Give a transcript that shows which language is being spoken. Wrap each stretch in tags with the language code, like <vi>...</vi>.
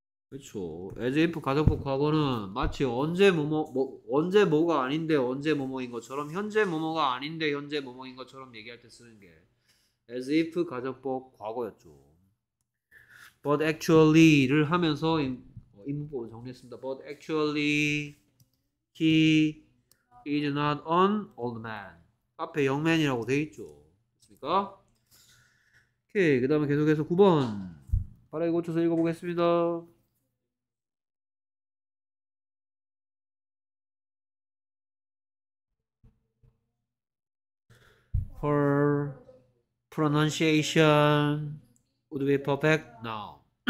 <ko>그렇죠. As if 가정법 과거는 마치 언제 언제 뭐가 아닌데 언제 뭐뭐인 것처럼 현재 뭐뭐가 아닌데 현재 뭐뭐인 것처럼 얘기할 때 쓰는 게 As if 가정법 과거였죠. But actually를 하면서 이 문법을 정리했습니다.</ko> <en>But actually He is not an old man.</en> <ko>앞에 young man이라고 돼 있죠. 됐습니까? 오케이. 그 다음에 계속해서 9번. 빠르게 고쳐서 읽어보겠습니다.</ko> <en>Her pronunciation would be perfect now.</en>